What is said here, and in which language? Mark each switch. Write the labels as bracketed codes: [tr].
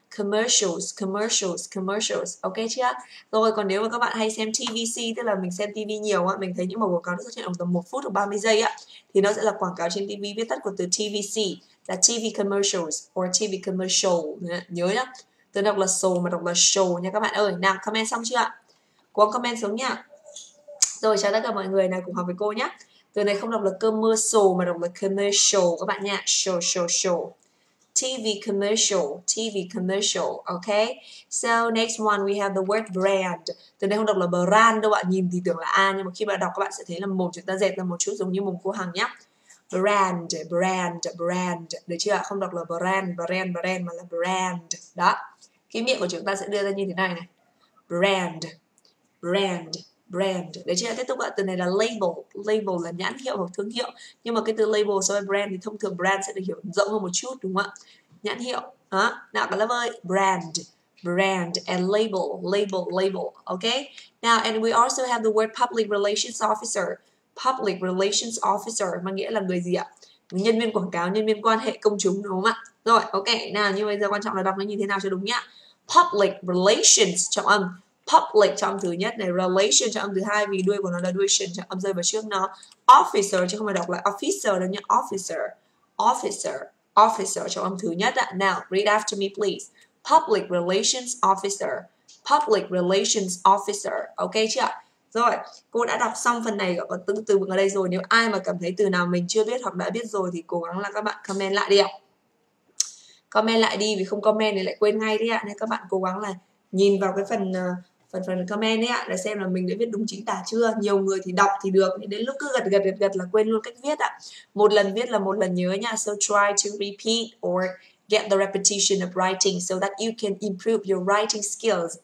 [vi] Commercials, commercials, commercials, ok chưa? Rồi, còn nếu mà các bạn hay xem TVC, tức là mình xem TV nhiều, mình thấy những mẫu quảng cáo xuất hiện khoảng tầm 1 phút hoặc 30 giây ạ, thì nó sẽ là quảng cáo trên TV, viết tắt của từ TVC, là TV commercials, or TV commercial, nhớ nhá. Từ đọc là show mà đọc là show nha các bạn ơi. Nào, comment xong chưa ạ? Cố comment xuống nha. Rồi, chào tất cả mọi người, nào cùng học với cô nhé. Từ này không đọc là commercial mà đọc là commercial các bạn nha. [en] Show, show, show. TV commercial, TV commercial, ok? So next one we have the word brand. [vi] Từ này không đọc là brand đâu ạ, nhìn thì tưởng là A nhưng mà khi bạn đọc các bạn sẽ thấy là mồm chúng ta dẹt ra một chút giống như mồm cô Hằng nhá. Brand, brand, brand, được chưa ạ? Không đọc là brand, brand, brand mà là brand. Đó, cái miệng của chúng ta sẽ đưa ra như thế này này. Brand, brand. Brand, để chúng ta tiếp tục ạ, từ này là label. Label là nhãn hiệu hoặc thương hiệu. Nhưng mà cái từ label so với brand thì thông thường brand sẽ được hiểu rộng hơn một chút, đúng không ạ? Nhãn hiệu, hả? Nào các lớp ơi, brand, brand and label, label, label, ok? [en] Now, and we also have the word public relations officer. [vi] Public relations officer mang nghĩa là người gì ạ? Nhân viên quảng cáo, nhân viên quan hệ công chúng, đúng không ạ? Rồi, ok, nào, như bây giờ quan trọng là đọc nó như thế nào cho đúng nhá. Public relations, trọng âm. Public trong thứ nhất này, relation trong âm thứ hai vì đuôi của nó là duation, trong âm rơi vào trước nó. Officer chứ không phải đọc là officer đâu nhé. Officer, officer, officer trong âm thứ nhất ạ. [en] Now, read after me please. Public relations officer. Public relations officer. Ok chưa? [vi] Rồi, cô đã đọc xong phần này và từng từ vựng ở đây rồi. Nếu ai mà cảm thấy từ nào mình chưa biết hoặc đã biết rồi thì cố gắng là các bạn comment lại đi ạ. Comment lại đi vì không comment thì lại quên ngay đi ạ. Nên các bạn cố gắng là nhìn vào cái phần comment ấy ạ, để xem là mình đã viết đúng chính tả chưa. Nhiều người thì đọc thì được, đến lúc cứ gật là quên luôn cách viết ạ. Một lần viết là một lần nhớ nha. [en] So try to repeat or get the repetition of writing so that you can improve your writing skills.